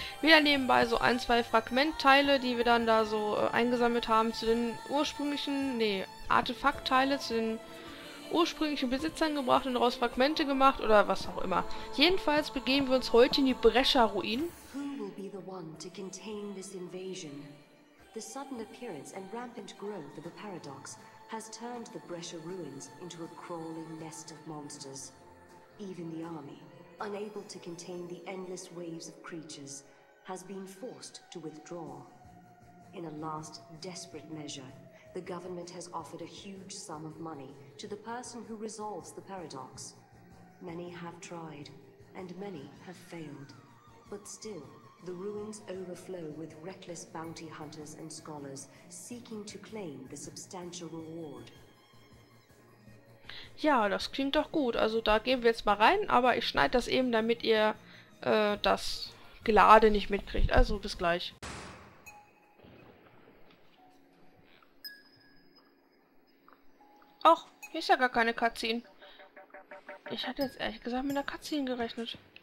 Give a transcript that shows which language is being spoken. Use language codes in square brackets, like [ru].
[de] Wieder nebenbei so ein, zwei Fragmentteile, die wir dann da so eingesammelt haben zu den ursprünglichen, Artefaktteile, zu den ursprünglichen Besitzern gebracht und daraus Fragmente gemacht oder was auch immer. Jedenfalls begeben wir uns heute in die Brescher-Ruinen. Wer wird der Einzige, der diese Invasion contain? [en] The sudden appearance and rampant growth of a paradox has turned the Brescia ruins into a crawling nest of monsters. Even the army, unable to contain the endless waves of creatures, has been forced to withdraw. In a last desperate measure, the government has offered a huge sum of money to the person who resolves the paradox. Many have tried, and many have failed. But still, the ruins overflow with reckless bounty hunters and scholars seeking to claim the substantial reward. [de] Ja, das klingt doch gut. Also da gehen wir jetzt mal rein, aber ich schneide das eben, damit ihr das Gelade nicht mitkriegt. Also bis gleich. Ach, hier ist ja gar keine Cutscene. Ich hatte jetzt ehrlich gesagt mit einer Cutscene gerechnet.